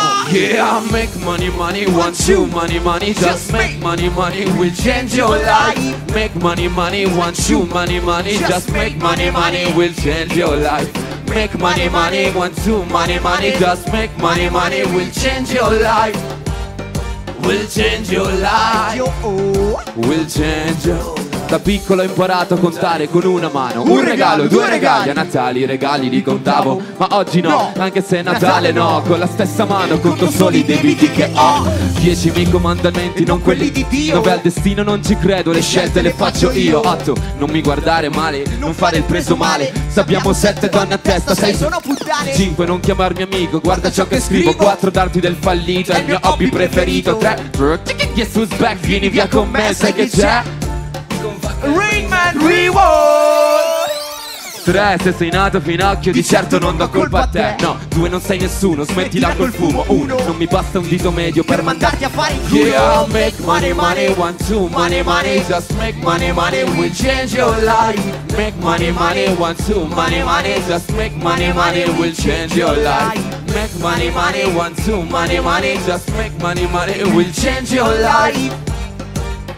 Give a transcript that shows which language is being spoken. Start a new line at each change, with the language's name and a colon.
English: Yeah, make money, money, want you, money, money, just make money, money, we'll change your life. Make money, money, want you, money, money, just make money, money, we'll change your life. Make money, money, money, one, two, money, money, just make money, money, money, we'll change your life. We'll change your life. We'll change your life.
Italian: Da piccolo ho imparato a contare con una mano. Un regalo, due regali. A Natale i regali li contavo. Ma oggi no, anche se è Natale no. Con la stessa mano conto solo i debiti che ho. 10.000 comandamenti, non quelli di Dio. 9 al destino, non ci credo. Le scelte le faccio io. 8, non mi guardare male, non fare il preso male. Sappiamo 7 donne a testa, 6 sono puttane. 5, non chiamarmi amico, guarda ciò che scrivo. 4, darti del fallito, è il mio hobby preferito. 3,
English: Jesus back,
Italian: vieni via con me, sai che c'è? Rainman Reward. 3, se sei nato Finocchio di certo non do colpa a te. No, 2, non sei nessuno, smettila col fumo. 1, non mi basta un dito medio per mandarti a fare il culo.
English: Yeah, make money, money, want to, money, money, just make money, money, we'll change your life. Make money, money, want to, money, money, just make money, money, we'll change your life. Make money, money, want to, money, money, just make money, money, we'll change your life.